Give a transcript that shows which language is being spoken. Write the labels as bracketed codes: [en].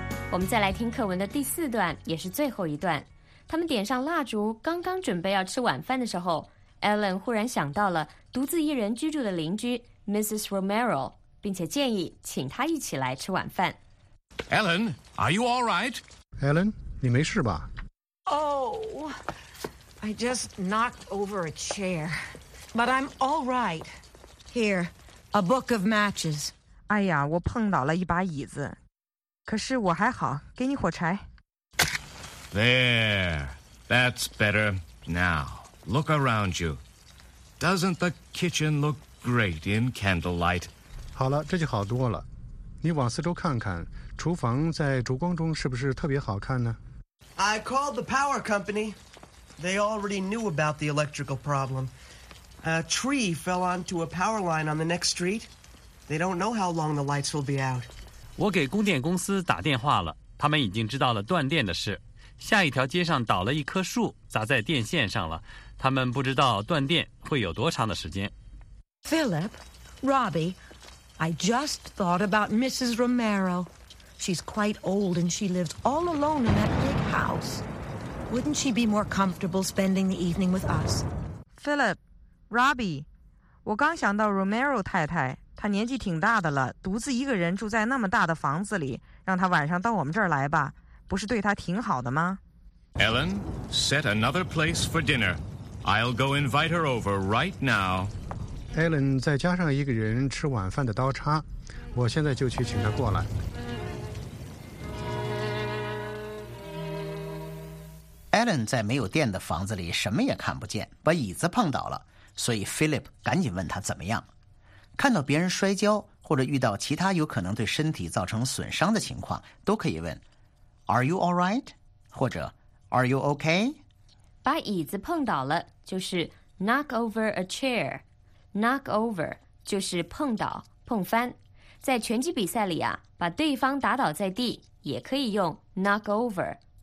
[zh] 我们再来听课文的第四段，也是最后一段。他们点上蜡烛，刚刚准备要吃晚饭的时候， Ellen 忽然想到了独自一人居住的邻居 Mrs. Romero， 并且建议请她一起来吃晚饭。 [en] Ellen, are you all right? [zh] Ellen, 你没事吧？ [en] Oh, I just knocked over a chair. But I'm all right. Here, a book of matches. [zh] 哎呀，我碰倒了一把椅子，可是我还好，给你火柴。 [en] There, that's better. Now, look around you. Doesn't the kitchen look great in candlelight? [zh] 好了，这就好多了。你往四周看看，厨房在烛光中是不是特别好看呢？ [en] I called the power company. They already knew about the electrical problem. A tree fell onto a power line on the next street. They don't know how long the lights will be out. [zh] 我给供电公司打电话了，他们已经知道了断电的事。下一条街上倒了一棵树，砸在电线上了，他们不知道断电会有多长的时间。 [en] Philip, Robbie, I just thought about Mrs. Romero. She's quite old and she lives all alone in that big house. Wouldn't she be more comfortable spending the evening with us? [zh] Philip, Robbie, 我刚想到 Romero 太太。他年纪挺大的了，独自一个人住在那么大的房子里，让他晚上到我们这儿来吧，不是对他挺好的吗？ [en] Ellen, set another place for dinner. I'll go invite her over right now. [zh] Ellen, 再加上一个人吃晚饭的刀叉，我现在就去请她过来。 Ellen 在没有电的房子里什么也看不见，把椅子碰倒了，所以 Philip 赶紧问他怎么样。看到别人摔跤或者遇到其他有可能对身体造成损伤的情况，都可以问 [en] Are you all right? [zh] 或者 [en] Are you okay? [zh] 把椅子碰倒了就是 [en] knock over a chair. Knock over [zh] 就是碰倒碰翻，在拳击比赛里啊，把对方打倒在地也可以用 [en] knock over.